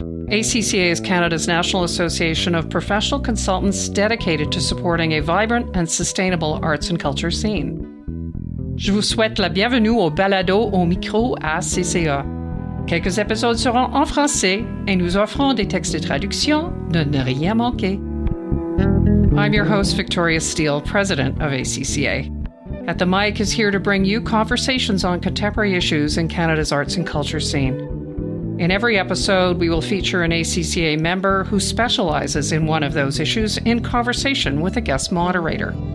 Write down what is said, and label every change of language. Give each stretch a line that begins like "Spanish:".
English: ACCA is Canada's national association of professional consultants dedicated to supporting a vibrant and sustainable arts and culture scene.
French: Je vous souhaite la bienvenue au balado au micro à CCA. Quelques épisodes seront en français et nous offrons des textes de traduction de ne rien manquer.
English: I'm your host, Victoria Steele, president of ACCA. At the Mic is here to bring you conversations on contemporary issues in Canada's arts and culture scene. In every episode, we will feature an ACCA member who specializes in one of those issues in conversation with a guest moderator.